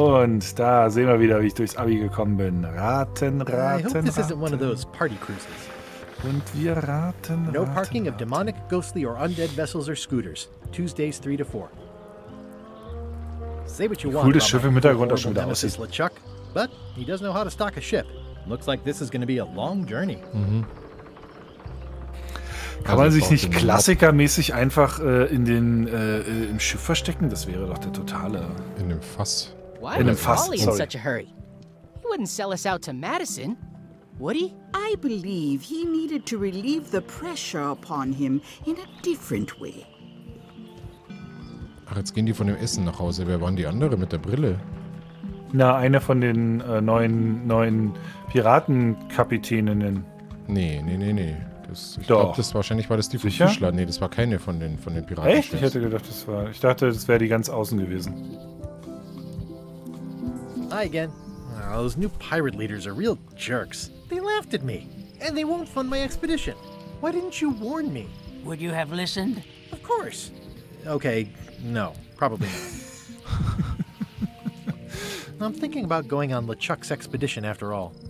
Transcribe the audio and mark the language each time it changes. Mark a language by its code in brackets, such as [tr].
[de] Und da sehen wir wieder, wie ich durchs Abi gekommen bin. Raten, raten, raten. [en] This isn't one of those party cruises. [de] Und wir raten, [en] no parking of demonic, ghostly or undead vessels or scooters. Tuesdays 3 to 4. Say what you want. [de] Cooles Schiff im Hintergrund auch schon wieder aussieht. [en] LeChuck, but he does know how to stock a ship. Looks like this is going to be a long journey. Mhm. [de] Kann man sich nicht klassikermäßig einfach im Schiff verstecken? Das wäre doch der totale... In dem Fass. [en] Why [de] in dem Fass, [en] in such a hurry? He wouldn't sell us out to Madison. Would he? I believe he needed to relieve the pressure upon him in a different way. [de] Ach, jetzt gehen die von dem Essen nach Hause. Wer waren die anderen mit der Brille? Na, eine von den neuen Piratenkapitäninnen. Nee. Ich glaube, das war wahrscheinlich die vom Fischler. Nee, das war keine von den Piraten. Echt? Ich dachte, das wäre die ganz außen gewesen. [en] Hi again. Oh, those new pirate leaders are real jerks. They laughed at me. And they won't fund my expedition. Why didn't you warn me? Would you have listened? Of course. Okay, no. Probably not. I'm thinking about going on LeChuck's expedition after all.